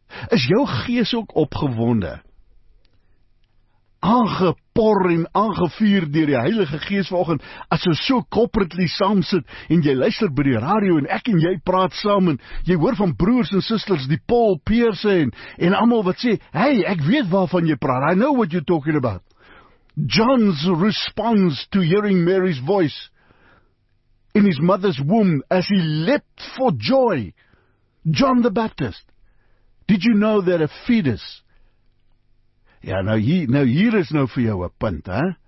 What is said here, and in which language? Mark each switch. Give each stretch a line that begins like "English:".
Afrikaans: Is jou gees ook opgewonde, aangepor en aangevuur deur die Heilige Gees vanoggend, as jy so corporately saam sit, en jy luister by die radio, en ek en jy praat saam, en jy hoor van broers en sisters, die Paul Pierce en allemaal wat sê, hey, ek weet waarvan jy praat,
English: I know what you're talking about. John's response to hearing Mary's voice in his mother's womb as he leapt for joy. John the Baptist. Did you know that a fetus...
Afrikaans: Ja, hier is nou vir jou 'n punt, hè?